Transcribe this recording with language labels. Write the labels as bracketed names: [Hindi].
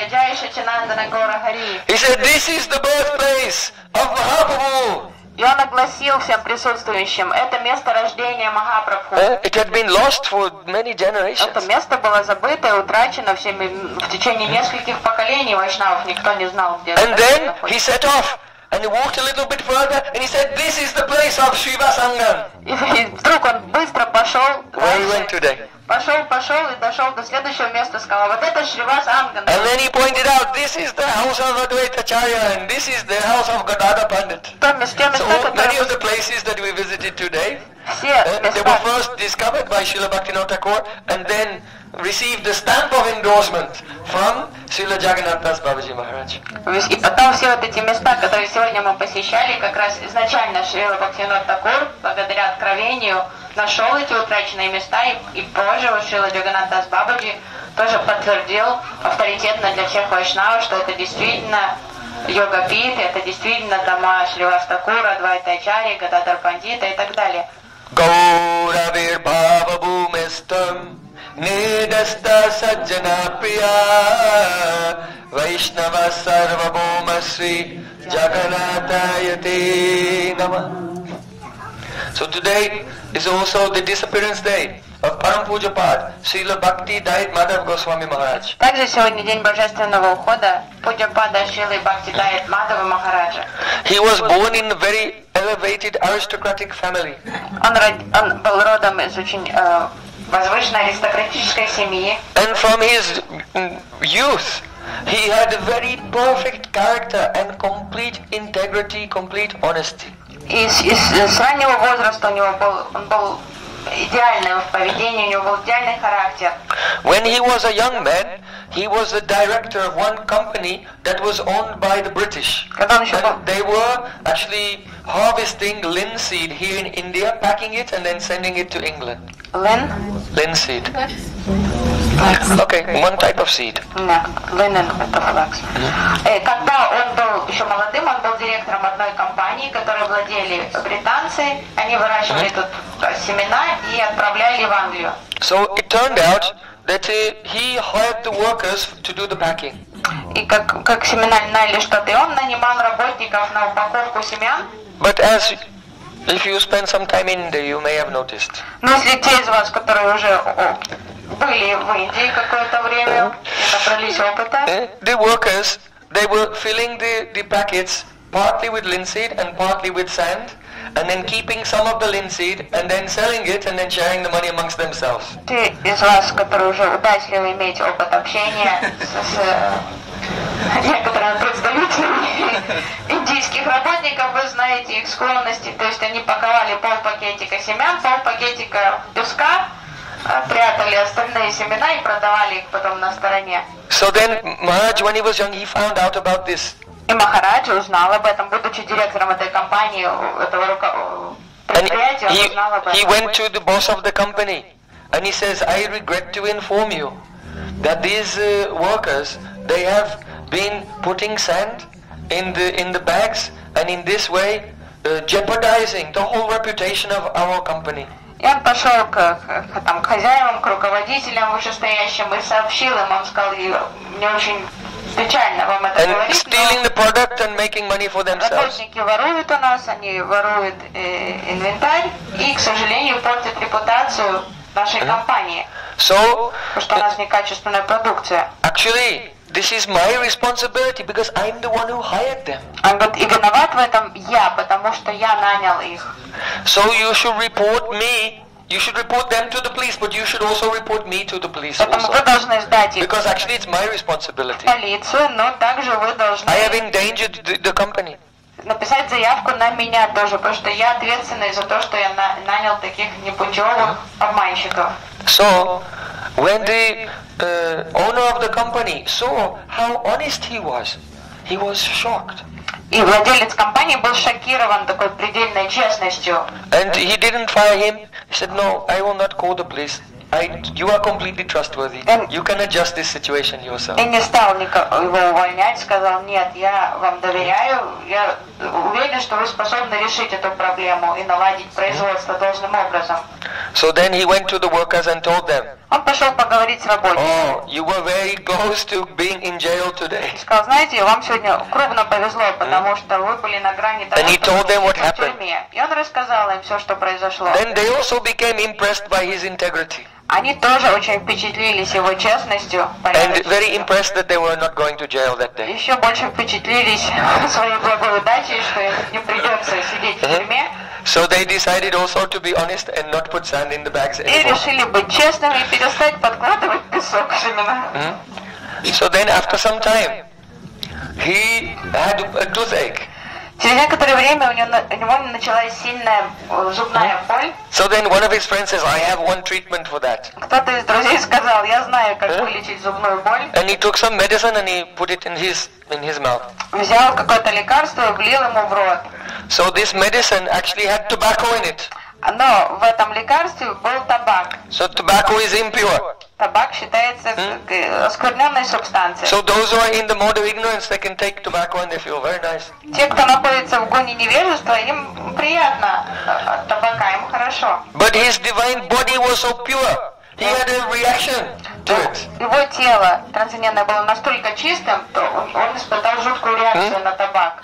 [English] He said, "This is the birthplace of Mahaprabhu." [Russian] И он огласил всем присутствующим, это место рождения Махапрабху. [English] It had been lost for many generations. [Russian] Это место было забыто и утрачено всеми в течение нескольких поколений вайшнавов, никто не знал, где. [English] And then he set off. And he walked a little bit further, and he said, "This is the place of Shiva Sangam." [Russian] И вдруг он быстро пошел. [English] Where he went today? [Russian] пошел и дошел до следующего места, сказал, вот это Шривасанган. [English] And then he pointed out, this is the house of Advaita Acharya and this is the house of Gadadhara Pandit. So many of the places that we visited today, they were first discovered by Srila Bhaktivinoda Thakur and then received the stamp of endorsement from Srila Jagannath Das Babaji Maharaj. [Russian] И потом все вот эти места, которые сегодня мы посещали, как раз изначально Шрила Бхактинот Такур, благодаря откровению, нашел эти утраченные места, и позже Шрила Джаганнат Дас Бабаджи тоже подтвердил авторитетно для всех вайшнава, что это действительно йога-пит, это действительно дома Шривас Такура, Адвайта Ачарьи, Гададхар Пандита и так далее. [Sanskrit] Гаурабир Бхава Бумистам Нидаста Саджана Прия Вайшнава Сарва Бумасри Джаганата Яти Нама. [English] So today is also the disappearance day of Param Pujapad, Srila Bhakti Dayat Madhava Goswami Maharaj. [Russian] Также сегодня день божественного ухода Пуджапада Шрилы Бхакти Дайет Мадхава Махараджа. [English] He was born in a very elevated aristocratic family. [Russian] Он был родом из очень возвышенной аристократической семьи. [English] And from his youth, he had a very perfect character and complete integrity, complete honesty. [Russian] И с раннего возраста у него был, он был идеальным в поведении, у него был идеальный характер. [English] When he was a young man, he was the director of one company that was owned by the British. [Russian] Когда он еще был... [English] They were actually harvesting linseed here in India, packing it and then sending it to England. Linseed. Okay, one type of seed. [Russian] Linen, это флакс. Когда он был еще молодым, он был директором одной компании, которой владели британцы. Они выращивали тут семена и отправляли в Англию. [English] So it turned out that he hired the workers to do the packing. [Russian] И как семена наняли штаты, он нанимал работников на упаковку семян. [English] But as if you spend some time in India, you may have noticed. [Russian] Но если те из вас, которые уже были в Индии какое-то время, набрались опыта. [English] The workers, they were filling the packets partly with linseed and partly with sand, and then keeping some of the linseed and then selling it and then sharing the money amongst themselves. [Russian] Те из вас, которые уже удачливо имеют опыт общения с некоторыми представителями индийских работников, вы знаете их склонности, то есть они паковали пол пакетика семян, пол пакетика песка, прятали остальные семена и продавали их потом на стороне. [English] So then Maharaj, when he was young, he found out about this. [Russian] И Махарадж узнал об этом, будучи директором этой компании, этого предприятия, он узнал об этом. [English] He went to the boss of the company, and he says, I regret to inform you that these workers, they have been putting sand in the bags, and in this way, jeopardizing the whole reputation of our company. [Russian] И он пошел к хозяевам, к руководителям вышестоящим и сообщил им, он сказал, мне очень печально вам это [English] and [Russian] говорить, [English] stealing the product and making money for themselves. [Russian] Работники воруют у нас, они воруют инвентарь и, к сожалению, портят репутацию нашей компании, потому что у нас некачественная продукция. [English] Actually, this is my responsibility because I'm the one who hired them. But [Russian] и виноват в этом я, потому что я нанял их. [English] So you should report me. You should report them to the police, but you should also report me to the police. [Russian] Потому вы должны сдать их. [English] Because actually it's my responsibility. [Russian] Полицию, но также вы должны. [English] I have endangered the company. [Russian] Написать заявку на меня тоже, потому что я ответственный за то, что я нанял таких непутевых обманщиков. [English] So when the owner of the company saw how honest he was shocked. [Russian] И владелец компании был шокирован такой предельной честностью. [English] And he didn't fire him. He said, no, I will not call the police. You are completely trustworthy. You can adjust this situation yourself. [Russian] И не стал его увольнять, сказал, нет, я вам доверяю, я уверен, что вы способны решить эту проблему и наладить производство должным образом. [English] So then he went to the workers and told them. [Russian] Он пошел поговорить с работниками. [English] Oh, you were very close to being in jail today. [Russian] Сказал, знаете, вам сегодня крупно повезло, потому что вы были на грани того, [English] and he told them what happened. [Russian] И он рассказал им все, что произошло. [English] Then they also became impressed by his integrity. [Russian] Они тоже очень впечатлились его честностью. [English] And very impressed that they were not going to jail that day. [Russian] Еще больше впечатлились своей благой удачей, что им не придется сидеть в тюрьме. [English] So they decided also to be honest and not put sand in the bags anymore. [Russian] И решили быть честными и перестать подкладывать песок в семена. [English] So then after some time, he had a toothache. [Russian] Через некоторое время у него началась сильная зубная боль. [English] So then one of his friends says, I have one treatment for that. [Russian] Кто-то из друзей сказал, я знаю, как вылечить зубную боль. [English] And he took some medicine and he put it in his mouth. [Russian] Взял какое-то лекарство и влил ему в рот. [English] So this medicine actually had tobacco in it. [Russian] Но в этом лекарстве был табак. [English] So tobacco is impure. [Russian] Табак считается оскверненной субстанцией. [English] So those who are in the mode of ignorance, they can take tobacco and they feel very nice. [Russian] Те, кто находится в гоне невежества, им приятно от табака, им хорошо. [English] But his divine body was so pure. He had a reaction to it. [Russian] Его тело трансцендентное было настолько чистым, то он испытал жуткую реакцию на табак.